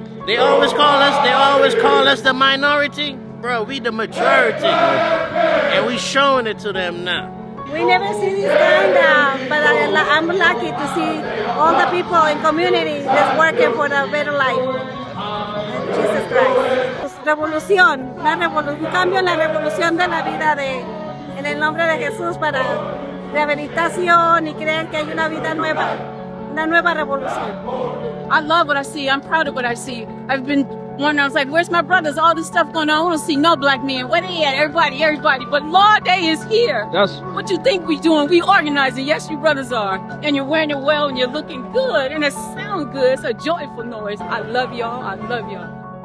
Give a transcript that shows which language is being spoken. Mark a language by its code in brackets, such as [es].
[en] They always call us. They always call us the minority, bro. We the majority, and we showing it to them now. We never see this going down, but I'm lucky to see all the people in community that's working for the better life. Jesus Christ. [es] Revolución, la revolución, cambio en la revolución de la vida de, en el nombre de Jesús para rehabilitación y creen que hay una vida nueva, una nueva revolución. [en] I love what I see. I'm proud of what I see. I've been wondering, I was like, where's my brothers? All this stuff going on. I don't see no black men. Where they at? Everybody, everybody. But Law Day is here. Yes. What you think we doing? We organizing. Yes, you brothers are. And you're wearing it well and you're looking good and it sounds good. It's a joyful noise. I love y'all. I love y'all.